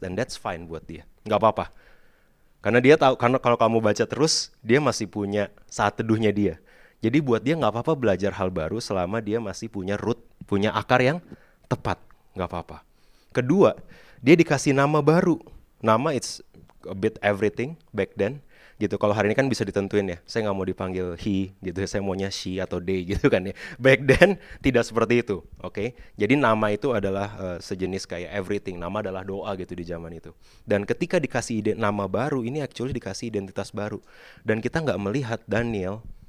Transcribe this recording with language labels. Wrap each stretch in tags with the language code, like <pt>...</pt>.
<en>And that's fine</en> <id>buat dia, nggak apa-apa. Karena dia tahu, karena kalau kamu baca terus, dia masih punya saat teduhnya dia. Jadi buat dia gak apa-apa belajar hal baru selama dia masih punya root, punya akar yang tepat. Gak apa-apa. Kedua, dia dikasih nama baru.</id> <en>Nama it's a bit everything back then.</en> <id>Gitu, kalau hari ini kan bisa ditentuin ya. Saya gak mau dipanggil he, gitu. Saya maunya she atau they gitu kan ya.</id> <en>Back then</en> <id>tidak seperti itu. Oke? Okay? Jadi nama itu adalah sejenis kayak everything. Nama adalah doa gitu di zaman itu. Dan ketika dikasih nama baru, ini actually dikasih identitas baru. Dan kita gak melihat Daniel</id>